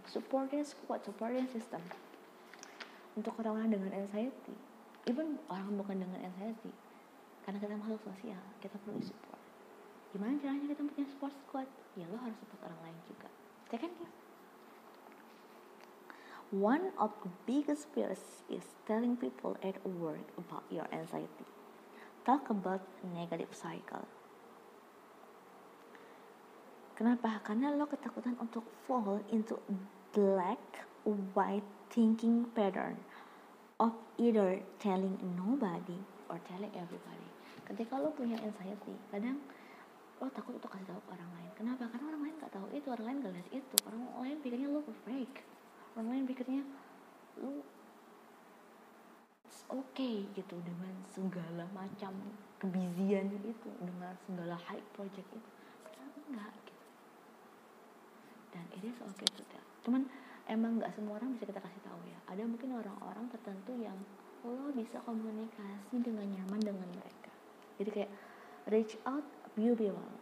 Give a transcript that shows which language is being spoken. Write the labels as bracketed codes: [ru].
[en] Supporting squad, supporting system. [id] Untuk orang-orang dengan anxiety, even orang bukan dengan anxiety, karena kita makhluk sosial, kita perlu support. Gimana caranya kita punya support squad? Ya lo harus support orang lain juga. [en] Second thing, one of the biggest fears is telling people at work about your anxiety. Talk about negative cycle. [id] Kenapa? Karena lo ketakutan untuk [en] fall into black-white thinking pattern of either telling nobody or telling everybody. [id] Ketika lo punya anxiety, kadang lo takut untuk kasih tahu ke orang lain. Kenapa? Karena orang lain gak tahu itu, orang lain gak lihat itu. Orang lain pikirnya lo fake. Orang lain pikirnya lo [en] it's okay [id] gitu dengan segala macam kebizian itu, dengan segala high project itu. Tapi enggak gitu. Dan [en] it is okay to tell. [id] Cuman emang gak semua orang bisa kita kasih tahu ya. Ada mungkin orang-orang tertentu yang lo bisa komunikasi dengan nyaman dengan mereka. Jadi kayak [en] reach out few people.